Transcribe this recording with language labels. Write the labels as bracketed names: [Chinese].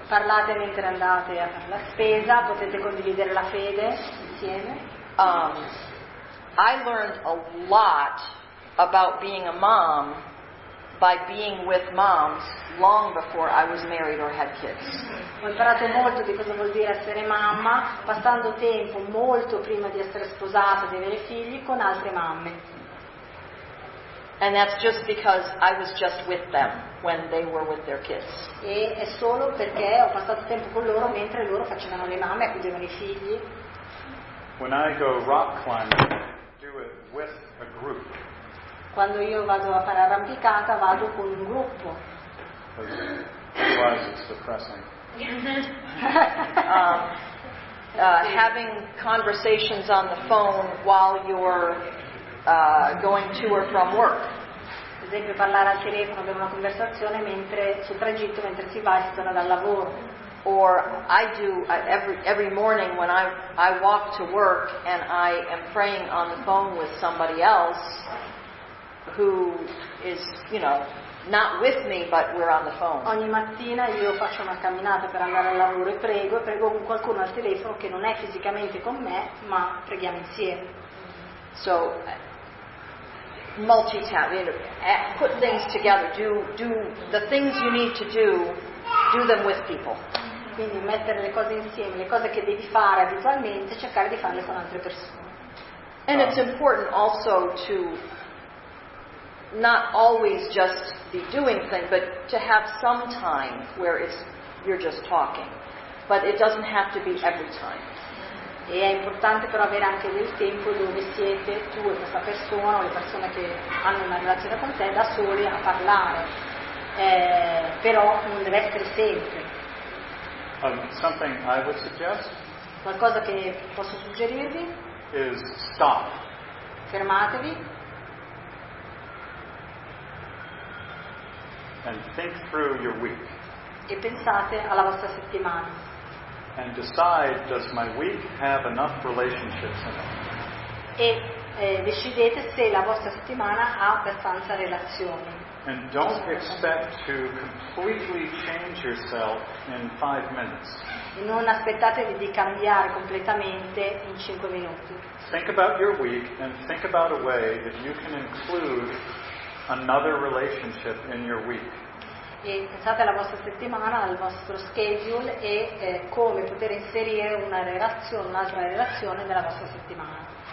[Italian] Parlate mentre andate a fare la spesa, potete condividere la fede insieme. [English] I learned a lot about being a mom by being with moms long before I was married or had kids. [Italian] Ho imparato molto di cosa vuol dire essere mamma passando tempo molto prima di essere sposata e di avere figli con altre mamme. [English] And that's just because I was just with them when they were with their kids. [Italian] E è solo perché ho passato tempo con loro mentre loro facevano le mamme e accudivano i figli. [English] When I go rock climbing, do it with a group. [Italian] Quando io vado a fare arrampicata, vado con un gruppo. [English] Otherwise it's depressing. Having conversations on the phone while you're going to or from work. [Italian] Per esempio, parlare al telefono, avere una conversazione mentre sul tragitto, mentre si va e si torna dal lavoro. [English] Or I do every morning when I walk to work and I am praying on the phone with somebody else who is, you know, not with me but we're on the phone. [Italian] Ogni mattina io faccio una camminata per andare al lavoro e prego con qualcuno al telefono che non è fisicamente con me, ma preghiamo insieme. [English] So multitasking, you know, put things together, do the things you need to do them with people. [Italian] Quindi mettere le cose insieme, le cose che devi fare abitualmente, cercare di farle con altre persone. [English] And it's important also to not always just be doing things, but to have some time where you're just talking. But it doesn't have to be every time. [Italian] E è importante però avere anche del tempo dove siete tu e questa persona o le persone che hanno una relazione con te da soli a parlare. Però non deve essere sempre. [English] Something I would suggest. [Italian] Qualcosa che posso suggerirvi? [English] Is stop. [Italian] Fermatevi. [English] And think through your week. [Italian] E pensate alla vostra settimana. [English] And decide, does my week have enough relationships in it? [Italian] E decidete se la vostra settimana ha abbastanza relazioni. [English] And don't expect to completely change yourself in 5 minutes. [Italian] E non aspettatevi di cambiare completamente in 5 minuti. [English] Think about your week and think about a way that you can include another relationship in your week. [Italian] E pensate alla vostra settimana, al vostro schedule e come poter inserire una relazione, un'altra relazione nella vostra settimana.